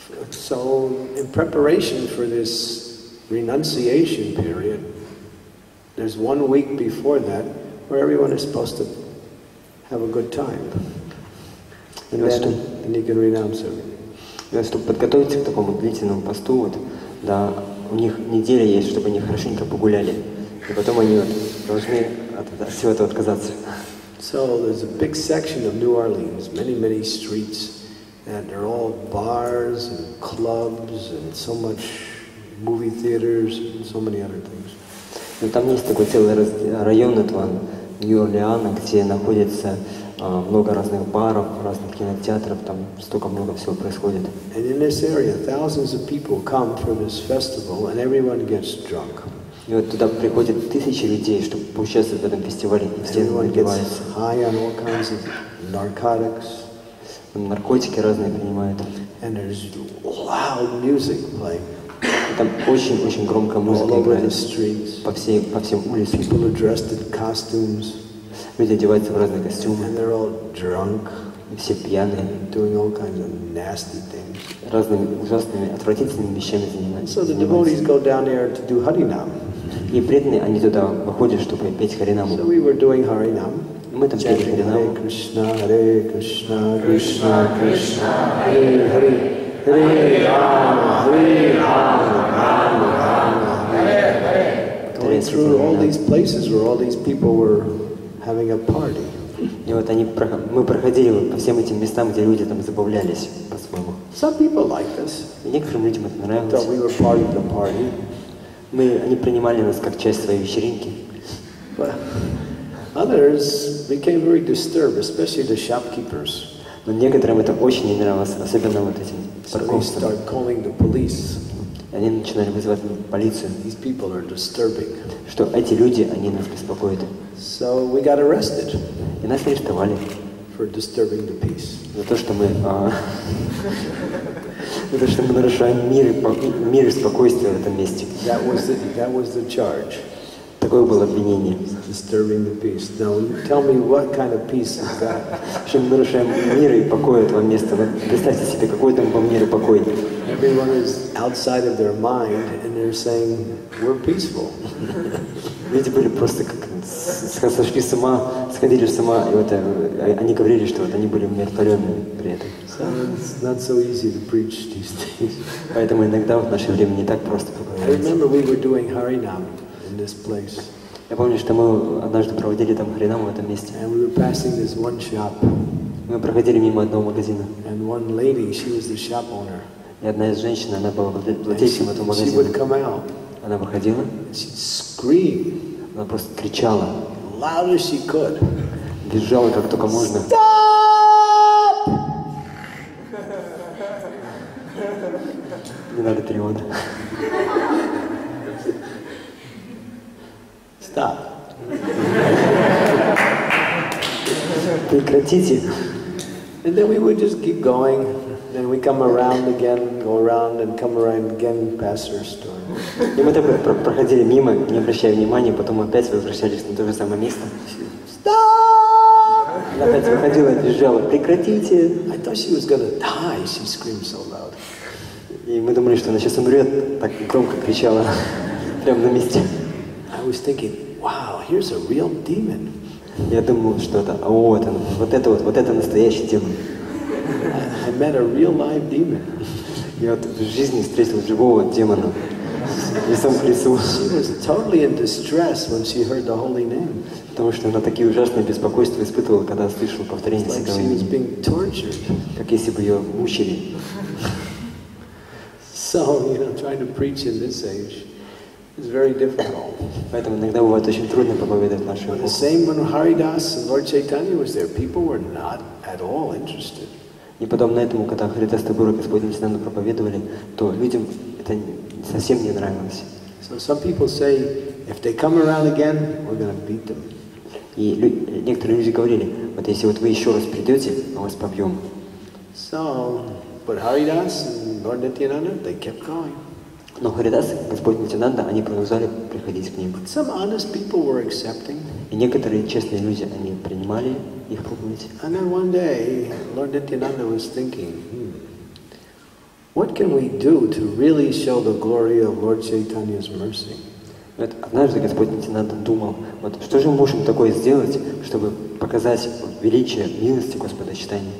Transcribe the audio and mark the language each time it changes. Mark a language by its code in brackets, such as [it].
[en] So in preparation for this renunciation period, there's 1 week before that where everyone is supposed to have a good time. And then you can renounce everything. [ru] Чтобы подготовиться к такому длительному посту, вот, да, у них неделя есть, чтобы они хорошенько погуляли. И потом они вот должны от всего этого отказаться. [en] So there's a big section of New Orleans, many, many streets, and they're all bars and clubs and so much movie theaters and so many other things. [ru] Но там есть такой целый район этого Нью-Орлеана, где находится много разных баров, разных кинотеатров, там столько много всего происходит. [en] And in this area, thousands of people come for this festival, and everyone gets drunk. [ru] И вот туда приходят тысячи людей, чтобы поучаствовать в этом фестивале, и все напиваются. [en] High on all kinds of narcotics. [ru] Наркотики разные принимают. [en] And there's loud music playing. [ru] И Там очень-очень громкая музыка играет. По всем улицам. [en] People are dressed in costumes. [ru] Люди одеваются в разные костюмы. [en] And they're all drunk. [ru] И все пьяные. [en] Doing all kinds of nasty things. [ru] Разными ужасными, отвратительными вещами занимаются. [en] So the devotees go down there to do Harinam. [ru] И преданные, они туда выходят, чтобы петь Харинаму. [en] So we were doing Harinam. [ru] Мы там пели Харинаму. [sa] Hare Krishna, Hare Krishna, Krishna, Krishna, Hare Hare. Hare Rama, Hare Rama, Rama Rama, Hare Hare. [en] Going through all these places where all these people were having a party. [ru] И вот они, мы проходили по всем этим местам, где люди там забавлялись по-своему. [en] Some people like this. [ru] И некоторым людям это нравилось. [en] We were part of the party. [ru] Мы, они принимали нас как часть своей вечеринки. [en] But others became very disturbed, especially the shopkeepers. [ru] Но некоторым это очень не нравилось, особенно вот этим парковщикам. [en] So they start calling the police. [ru] Они начинали вызывать полицию. [en] These people are disturbing. [ru] Что эти люди, они нас беспокоят. [en] So we got arrested. [ru] И нас арестовали. [en] For disturbing the peace. [ru] За то, что мы, за то, что мы нарушаем мир, мир и спокойствие в этом месте. [en] That was the charge. [ru] Такое было обвинение. [en] Disturbing the peace. Now tell me what kind of peace is that? [ru] Что мы нарушаем мир и покой этого места. Представьте себе, какой там был мир и покой. [en] Everyone is outside of their mind and they're saying we're peaceful. [ru] Люди были просто как сошли с ума, сходили с ума, и вот они говорили, что вот они были умиротворенными при этом. [en] It's not so easy to preach these things. [ru] Поэтому иногда в наше время не так просто поговорить. [en] In this place. [ru] Я помню, что мы однажды проводили там Харинаму в этом месте. [en] And we were passing this one shop. [ru] Мы проходили мимо одного магазина. [en] And one lady, she was the shop owner. [ru] И одна из женщин, она была владельцем этого магазина. [en] She would come out. [ru] Она выходила. [en] She'd scream. [ru] Она просто кричала. [en] Loud as she could. [ru] Визжала как только можно. [en] Stop! [ru] Не надо перевода. Прекратите. [en] And then we would just keep going. Then we come around again, go around and come around again, pass her store. [ru] И мы так проходили мимо, не обращая внимания, потом опять возвращались на то же самое место. [en] Stop! [ru] Она опять выходила и бежала. Прекратите. [en] I thought she was gonna die. She screamed so loud. [ru] И мы думали, что она сейчас умрет, так громко кричала прямо на месте. [en] I was thinking, wow, here's a real demon. [ru] Я думал, что это, о, вот он, вот это настоящий демон. [en] I met a real live demon. [ru] Я вот в жизни встретил живого демона. Лицом к лицу. [en] She was totally in distress when she heard the holy name. [ru] Потому что она такие ужасные беспокойства испытывала, когда слышала повторение Святого имени. [en] Like she was being tortured. [ru] Как если бы ее мучили. [en] So, you know, trying to preach in this age. It's very difficult. [ru] Поэтому иногда бывает очень трудно проповедовать в нашем. [en] The same when Haridas and Lord Chaitanya was there, people were not at all interested. [ru] И подобно этому, когда Харидас Тагур и Господь Нитянанда проповедовали, то людям это совсем не нравилось. [en] So some people say, if they come around again, we're going to beat them. [ru] И некоторые люди говорили, вот если вот вы еще раз придете, мы вас побьем. [en] So, but Haridas and Lord Nityananda, they kept going. [ru] Но Харидас, Господь Нитянанда, они продолжали приходить к ним. [en] Some honest people were accepting. [ru] И некоторые честные люди, они принимали их проповедь. [en] And then one day, Lord Nityananda was thinking, what can we do to really show the glory of Lord Chaitanya's mercy? [ru] Вот однажды Господь Нитянанда думал, вот что же мы можем такое сделать, чтобы показать величие милости Господа Чайтаньи?